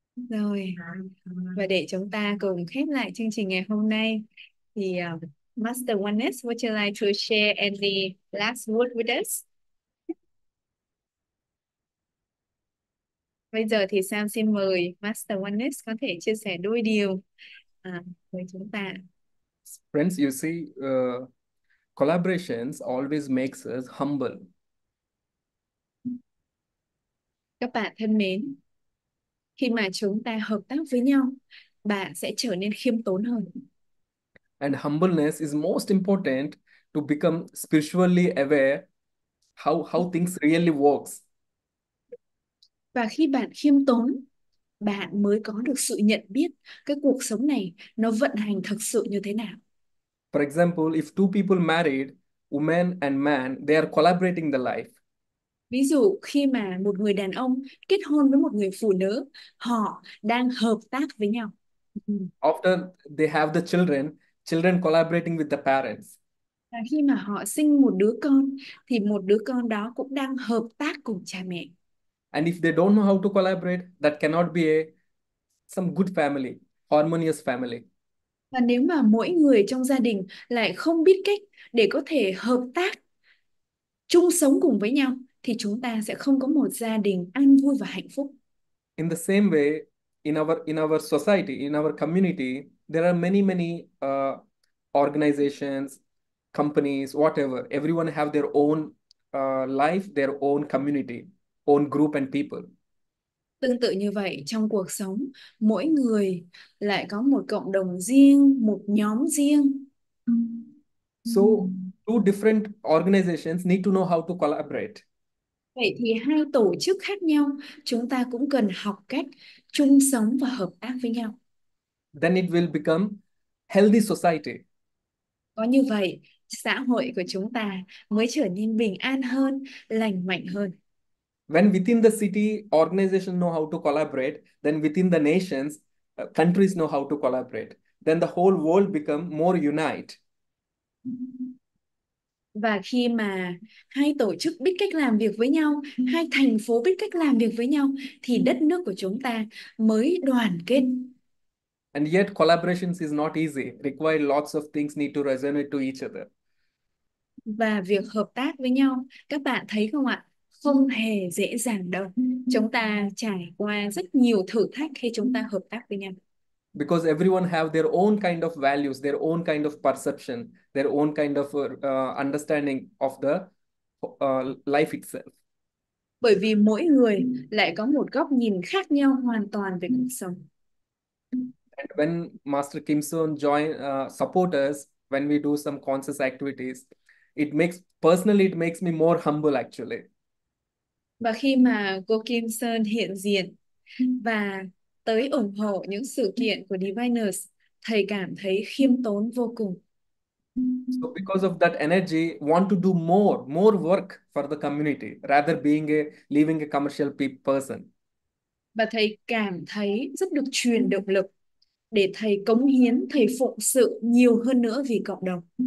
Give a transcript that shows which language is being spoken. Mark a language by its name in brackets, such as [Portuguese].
[Vietnamese] Rồi, và để chúng ta cùng khép lại chương trình ngày hôm nay thì Master Oneness, [English] would you like to share any last word with us? [Vietnamese] Bây giờ thì Sam xin mời Master Oneness có thể chia sẻ đôi điều với chúng ta. [English] Friends, you see, collaborations always makes us humble. [Vietnamese] Các bạn thân mến, khi mà chúng ta hợp tác với nhau, bạn sẽ trở nên khiêm tốn hơn. [English] And humbleness is most important to become spiritually aware how things really works. [Vietnamese] Và khi bạn khiêm tốn, bạn mới có được sự nhận biết cái cuộc sống này nó vận hành thực sự như thế nào. [English] For example, if two people married, woman and man, they are collaborating the life. [Vietnamese] Ví dụ khi mà một người đàn ông kết hôn với một người phụ nữ, họ đang hợp tác với nhau. [English] After they have the children collaborating with the parents. [Vietnamese] Và khi mà họ sinh một đứa con thì một đứa con đó cũng đang hợp tác cùng cha mẹ. [English] And if they don't know how to collaborate, that cannot be some good family, harmonious family. [Vietnamese] Và nếu mà mỗi người trong gia đình lại không biết cách để có thể hợp tác, chung sống cùng với nhau, thì chúng ta sẽ không có một gia đình an vui và hạnh phúc. [English] In the same way, in our society, in our community, there are many organizations, companies, whatever. Everyone have their own life, their own community, own group and people. [Vietnamese] Tương tự như vậy, trong cuộc sống, mỗi người lại có một cộng đồng riêng, một nhóm riêng. [English] So, two different organizations need to know how to collaborate. [Vietnamese] Vậy thì hai tổ chức khác nhau, chúng ta cũng cần học cách chung sống và hợp tác với nhau. [English] Then it will become healthy society. [Vietnamese] Có như vậy, xã hội của chúng ta mới trở nên bình an hơn, lành mạnh hơn. [English] When within the city, organizations know how to collaborate, then within the nations, countries know how to collaborate, then the whole world become more unite. [Vietnamese] Và khi mà hai tổ chức biết cách làm việc với nhau, hai thành phố biết cách làm việc với nhau, thì đất nước của chúng ta mới đoàn kết. [English] And yet collaborations is not easy. Require lots of things need to resonate to each other. [Vietnamese] Và việc hợp tác với nhau, các bạn thấy không ạ? Không hề dễ dàng đâu. Chúng ta trải qua rất nhiều thử thách khi chúng ta hợp tác với nhau. [English] Because everyone have their own kind of values, their own kind of perception, their own kind of understanding of the life itself. [Vietnamese] Bởi vì mỗi người lại có một góc nhìn khác nhau hoàn toàn về cuộc sống. [English] And when Master Kim Soon join support us when we do some conscious activities, it makes me more humble actually. [Vietnamese] Và khi mà cô Kim Sơn hiện diện và tới ủng hộ những sự kiện của Diviners, thầy cảm thấy khiêm tốn vô cùng. [English] So because of that energy, want to do more work for the community rather being a leaving a commercial person. [Vietnamese] Và thầy cảm thấy rất được truyền động lực để thầy cống hiến, thầy phụng sự nhiều hơn nữa vì cộng đồng.